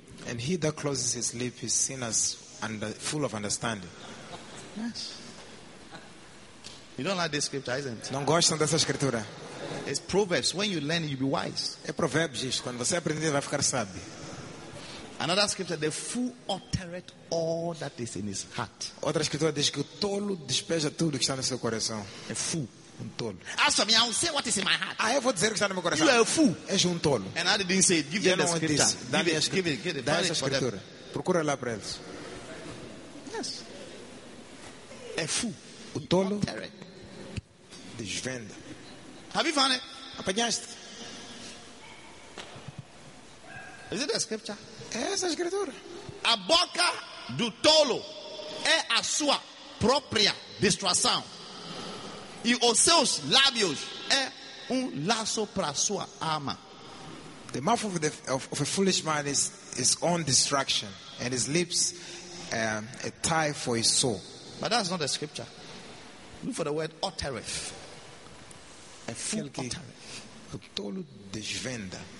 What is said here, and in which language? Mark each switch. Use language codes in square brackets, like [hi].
[en] And he that closes his lips is seen as full of understanding. Yes. You don't like this scripture, isn't it? [pt] Não gostam dessa escritura. [en] It's Proverbs. When you learn, you'll be wise. [pt] É provérbios isso. Quando você aprender, vai ficar sábio. [en] Another scripture, the fool uttereth all that is in his heart. [pt] Outra escritura diz que o tolo despeja tudo que está no seu coração. [en] A fool. [pt] Um tolo. [en] As for me, I'll say what is in my heart. [pt] Ah, eu vou dizer o que está no meu coração. [en] You are a fool. [pt] És um tolo. [en] And I didn't say, give them the scripture. [pt] Disse, dá-lhe essa escritura. Procura lá para eles. [en] Yes. A fool. [pt] O tolo. [en] Uttereth. [pt] Desvenda. [en] Have you found it? [pt] Apanhaste. [en] Is it a scripture? [pt] Essa escritura. A boca do tolo é a sua própria destruição. E os seus lábios é laço para sua alma. [en] The mouth of a foolish man is his own destruction, and his lips a tie for his soul. But that's not a scripture. Look for the word uttereth. A fool uttereth. [pt] O tolo desvenda.